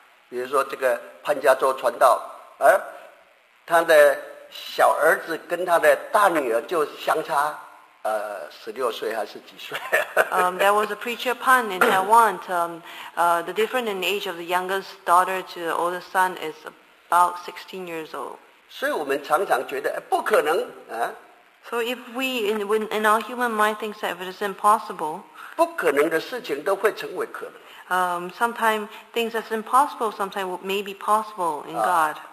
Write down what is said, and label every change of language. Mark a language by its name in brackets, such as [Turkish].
[Chinese] 比如说这个潘家洲传道，而他的小儿子跟他的大女儿就相差 16岁还是几岁? [English] there was a preacher pun in Taiwan. The difference in the age of the youngest daughter to the oldest son is about 16 years old. [Chinese] 所以我们常常觉得, 不可能, 啊? [English] So if we, in our human mind, think that it is impossible, [Chinese] 不可能的事情都会成为可能。 [English] Sometimes things that's impossible sometimes may be possible in God.